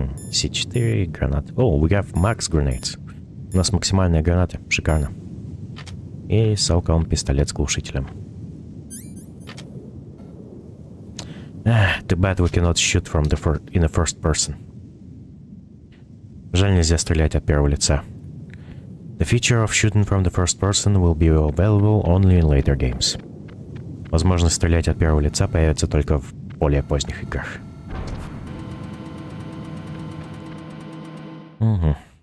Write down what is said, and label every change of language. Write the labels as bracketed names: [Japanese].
[English] C4, гранат. О, we have max grenades. [Russian] У нас максимальные гранаты. Шикарно. И салковым пистолет с глушителем. [English] Too bad we cannot shoot from the in the first person. [Russian] Жаль, нельзя стрелять от первого лица. [English] The feature of shooting from the first person will be available only in later games. [Russian] Возможно, стрелять от первого лица появится только в более поздних играх. Угу.